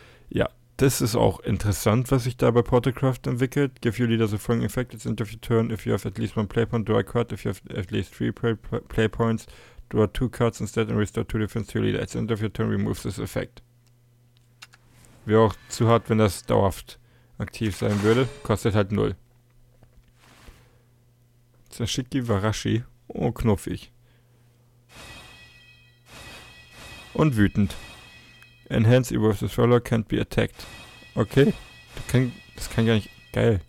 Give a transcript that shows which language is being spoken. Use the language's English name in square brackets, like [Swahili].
[German] Ja, das ist auch interessant, was sich da bei Portalcraft entwickelt. [English] Give your leader the following effect. It's end of your turn. If you have at least 1 playpoint, draw a card. If you have at least 3 playpoints, draw 2 cards instead and restore 2 defense to your leader. At the end of your turn, remove this effect. [German] Wäre auch zu hart, wenn das dauerhaft aktiv sein würde. Kostet halt 0. Sashiki Warashi. Oh, knuffig. Und wütend. [English] Enhance Evolve the Follower can't be attacked. [German] Okay. Das kann gar nicht. Geil.